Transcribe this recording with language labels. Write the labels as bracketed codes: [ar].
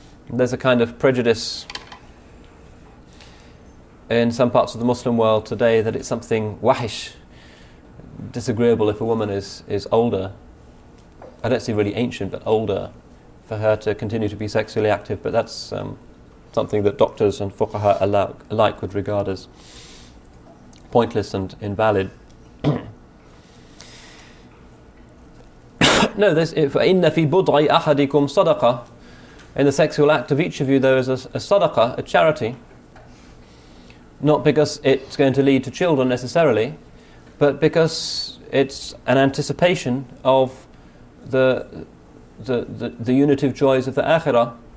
[en] There's a kind of prejudice in some parts of the Muslim world today that it's something wahish, disagreeable if a woman is older. I don't say really ancient, but older, for her to continue to be sexually active, but that's something that doctors and fuqaha alike would regard as pointless and invalid. No, this [ar] إِنَّ فِي بُضْعِ أَحَدِكُمْ صَدَقَةً. [en] In the sexual act of each of you there is a sadaqah, a charity. Not because it's going to lead to children necessarily, but because it's an anticipation of the unitive joys of the akhirah.